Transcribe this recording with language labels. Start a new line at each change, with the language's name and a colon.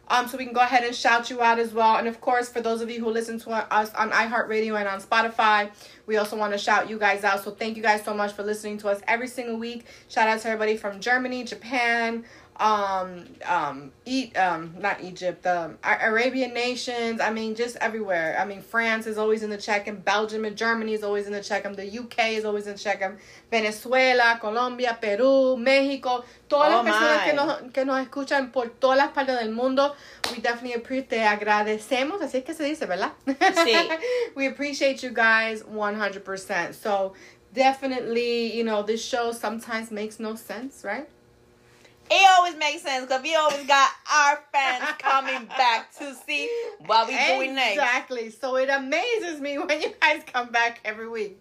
English: So we can go ahead and shout you out as well. And of course, for those of you who listen to us on iHeartRadio and on Spotify, we also want to shout you guys out. So thank you guys so much for listening to us every single week. Shout out to everybody from Germany, Japan, not Egypt, Arabian nations. I mean, just everywhere. I mean, France is always in the check, and Belgium and Germany is always in the check. The UK is always in the check.
Spanish: Venezuela, Colombia, Peru, Mexico, todas las personas que nos escuchan por todas las partes del mundo.
English: We definitely appreciate,
Spanish: agradecemos, así es que se dice, ¿verdad?
English: Sí. We appreciate you guys 100%. So definitely, you know, this show sometimes makes no sense, right? It always makes sense because we always got our fans coming back to see what we doing next. Exactly. So it amazes me when you guys come back every week.